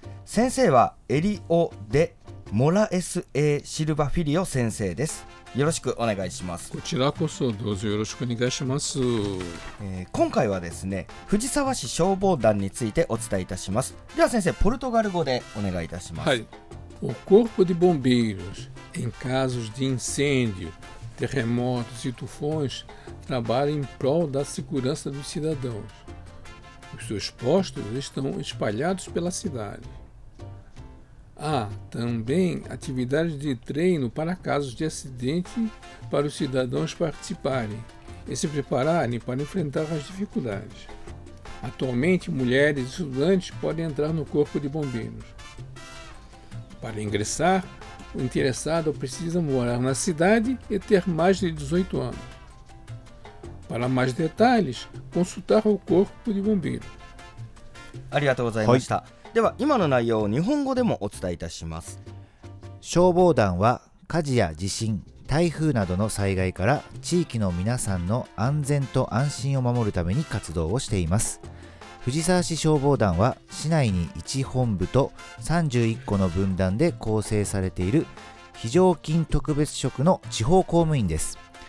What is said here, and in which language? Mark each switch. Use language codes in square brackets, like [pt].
[ja] 先生はエリオ・デ・モラエス・エ・シルバ・フィリオ先生です。よろしくお願いします。こちらこそどうぞよろしくお願いします。今回はですね、藤沢市消防団についてお伝えいたします。では先生、ポルトガル語でお願いいたします。 [pt] はい。 O corpo de bombeiros em casos de incêndio, terremotos e tufões trabalham em prol da segurança dos cidadãos. Os seus postos estão espalhados pela cidade. Há também atividades de treino para casos de acidente para os cidadãos participarem e se prepararem para enfrentar as dificuldades. Atualmente, mulheres e estudantes podem entrar no corpo de bombeiros. Para ingressar, o interessado precisa morar na cidade e ter mais de 18 anos. Para mais detalhes, consultar o corpo de bombeiros. Obrigado. Foi. [ja] では今の内容を日本語でもお伝えいたします。消防団は火事や地震、台風などの災害から地域の皆さんの安全と安心を守るために活動をしています。藤沢市消防団は市内に1本部と31個の分団で構成されている非常勤特別職の地方公務員です。